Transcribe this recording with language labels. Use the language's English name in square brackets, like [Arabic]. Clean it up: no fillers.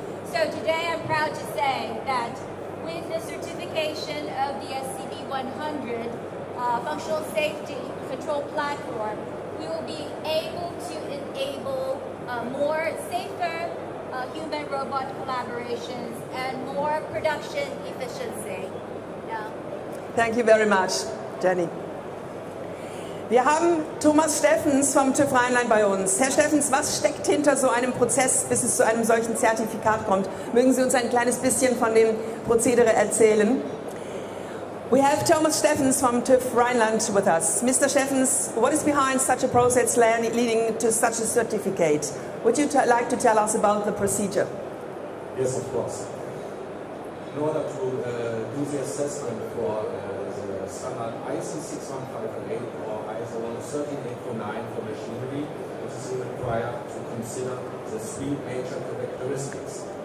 [English] So today I'm proud to say that with the certification of the SCB-100 functional safety control platform, we will be able to enable more safer human-robot collaborations and more production efficiency. Yeah. Thank you very much, Jenny. [German] Wir haben Thomas Steffens vom TÜV Rheinland bei uns. Herr Steffens, was steckt hinter so einem Prozess, bis es zu einem solchen Zertifikat kommt? Mögen Sie uns ein kleines bisschen von dem Prozedere erzählen? [English] We have Thomas Steffens from TÜV Rheinland with us. Mr. Steffens, what is behind such a process leading to such a certificate? Would you like to tell us about the procedure? Yes, of course. In order to do the assessment for the standard ISO 6158 or ISO 13829 for machinery, it is required to consider the three major characteristics.